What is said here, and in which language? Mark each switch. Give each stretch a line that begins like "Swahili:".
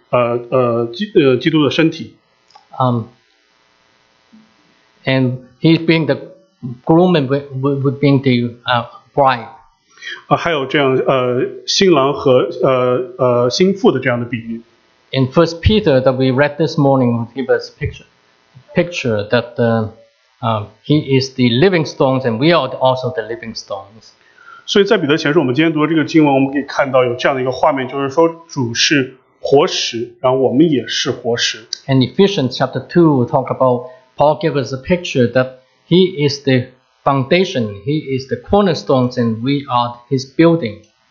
Chinese: 所以关于教会的教导有很多，包括就是说，耶稣是教会的头，我们然后并且教会是基督的身体。
English: And he being the groom and would being the bride.
Chinese: 还有这样新郎和新妇的这样的比喻。
English: In First Peter that we read this morning, he was picture that he is the living stones and we are also the living stones.
Chinese: 所以在彼得前书我们今天读的这个经文，我们可以看到有这样的一个画面，就是说主是活石，然后我们也是活石。
English: In Ephesians chapter 2, we talk about Paul gave us a picture that he is the foundation, he is the cornerstones, and we are his building.